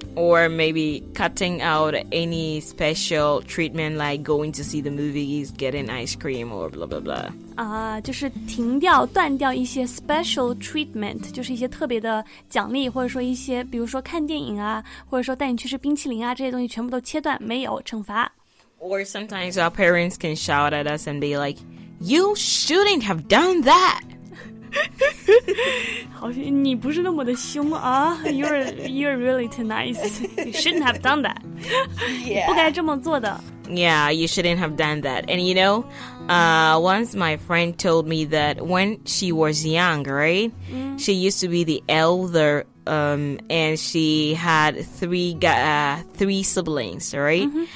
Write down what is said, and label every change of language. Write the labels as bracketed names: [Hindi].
[English] Or maybe cutting out any special treatment Like going to see the movies Getting ice cream or blah blah blah [Chinese] 就是停掉断掉一些 special treatment 就是一些特别的奖励或者说一些比如说看电影啊或者说带你去吃冰淇淋啊这些东西全部都切断没有惩罚 [English] Or sometimes our parents can shout at us and be like You shouldn't have done that [Chinese] 好像你不是那么的凶啊 [English] You're really too nice You shouldn't have done that、 yeah. [Chinese] 不该这么做的 [English] Yeah, you shouldn't have done that And you know once my friend told me that when she was young, right, she used to be the elder, and she had three siblings, right?